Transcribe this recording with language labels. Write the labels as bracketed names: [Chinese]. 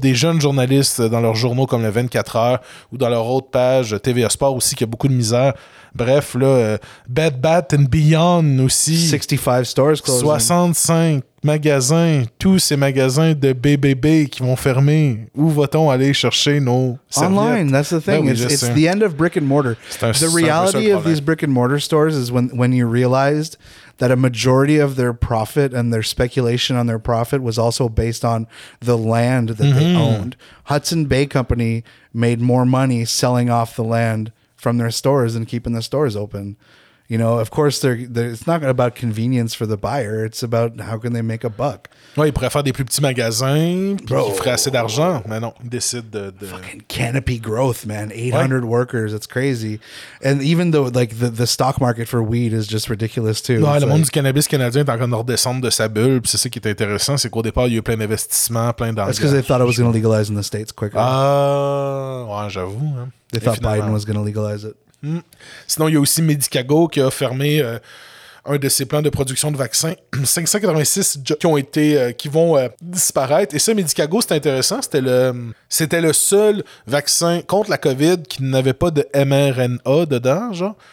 [French] Des jeunes journalistes dans leurs journaux comme le 24 heures ou dans leur autre page, TVA Sport aussi, qui a beaucoup de misère. Bref, là, Bed Bath & Beyond aussi. [English] 65 stores closing. [French] 65 magasins, tous ces magasins de BBB qui vont fermer. Où va-t-on aller chercher nos serviettes? [English] Online, that's the thing. [French] Ben oui, [English] it's the end of brick and mortar. The reality of these brick and mortar stores is when you realized that a majority of their profit and their speculation on their profit was also based on the land that they owned. Hudson Bay Company made more money selling off the land from their stores and keeping the stores open. You know, of course, they're it's not about convenience for the buyer. It's about how can they make a buck. [French] Ouais, ils pourraient faire des plus petits magasins, puis ils feraient assez d'argent. Mais non, ils décident de... [English] Fucking canopy growth, man. 800 [French] ouais. [English] workers, it's crazy. And even though, like, the stock market for weed is just ridiculous, too. [French] Non, [English] like, [French] le monde du cannabis canadien est en train de redescendre de sa bulle, puis c'est ça qui est intéressant, c'est qu'au départ, il y a eu plein d'investissements, plein d'argent. [English] That's because they thought it was going to legalize in the States quicker. [French] Ouais, j'avoue. Hein. [English] They thought Biden was going to legalize it. [French] Sinon, il y a aussi Medicago qui a fermé un de ses plans de production de vaccins. 586 qui ont été disparaître. Et ça, Medicago, c'est intéressant. C'était le seul vaccin contre la COVID qui n'avait pas de mRNA dedans, genre.